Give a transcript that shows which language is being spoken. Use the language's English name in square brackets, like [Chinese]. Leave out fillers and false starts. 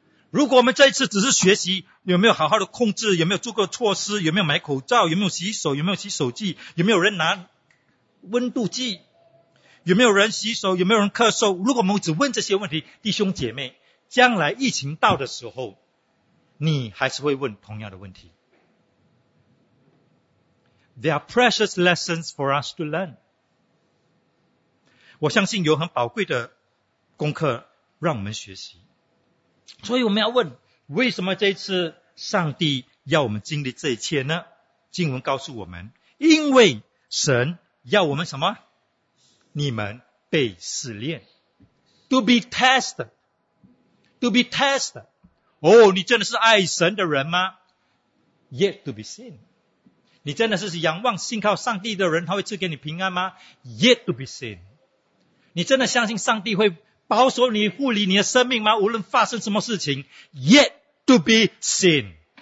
[Chinese] 如果我们这一次只是学习有没有好好的控制，有没有做过措施，有没有买口罩，有没有洗手，有没有洗手剂，有没有人拿温度计，有没有人洗手，有没有人咳嗽，如果我们只问这些问题，弟兄姐妹，将来疫情到的时候，你还是会问同样的问题。 [English] There are precious lessons for us to learn. [Chinese] 我相信有很宝贵的功课让我们学习。所以我们要问，为什么这一次上帝要我们经历这一切呢？经文告诉我们，因为神要我们什么？你们被试炼 [English] To be tested. [Chinese] 哦，你真的是爱神的人吗？ [English] Yet to be seen. [Chinese] 你真的是仰望信靠上帝的人，他会赐给你平安吗？ [English] Yet to be seen. [Chinese] 你真的相信上帝会保守你，护理你的生命吗？无论发生什么事情， [English] Yet to be seen.